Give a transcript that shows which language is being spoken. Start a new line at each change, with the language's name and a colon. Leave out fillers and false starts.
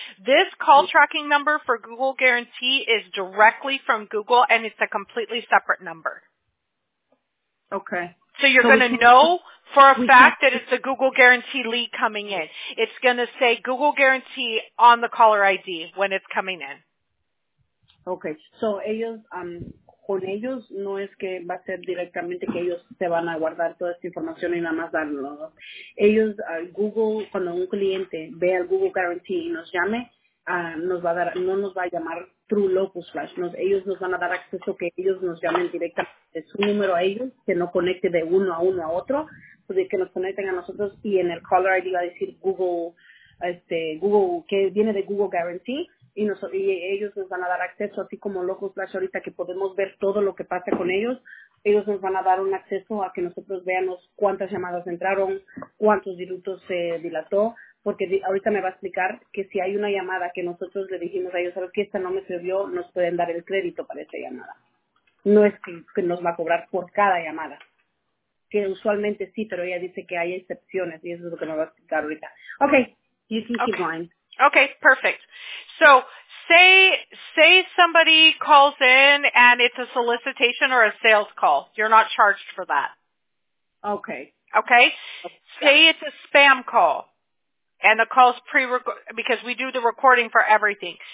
English: This call tracking number for Google Guarantee is directly from Google, and it's a completely separate number. Okay. So you're going to know for a fact that it's a Google Guarantee lead coming in. It's going to say Google Guarantee on the caller ID when it's coming in. Okay.
Spanish: So ellos, con ellos no es que va a ser directamente que ellos se van a guardar toda esta información y nada más darlo. Ellos, Google, cuando un cliente ve al Google Guarantee y nos llame, nos va a dar, no nos va a llamar
English: through
Spanish: Locus Flash. Nos, ellos nos van a dar acceso que ellos nos llamen directamente su número a ellos, que no conecte de uno a otro, pues de que nos conecten a nosotros y en el caller ID va a decir Google, Google, que viene de Google Guarantee. Y, nos, y ellos nos van a dar acceso, así como Locus Flash ahorita, que podemos ver todo lo que pasa con ellos. Ellos nos van a dar un acceso a que nosotros veamos cuántas llamadas entraron, cuántos minutos se dilató. Porque ahorita me va a explicar que si hay una llamada que nosotros le dijimos a ellos, ¿sabes qué? Esta no me sirvió, nos pueden dar el crédito para esa llamada. No es que nos va a cobrar por cada llamada. Que usualmente sí, pero ella dice que hay excepciones y eso es lo que me va a explicar ahorita.
English: Okay, you can keep going. Okay, perfect. So say somebody calls in and it's a solicitation or a sales call. You're not charged for that. Okay. Okay? Say it's a spam call and the call's because we do the recording for everything.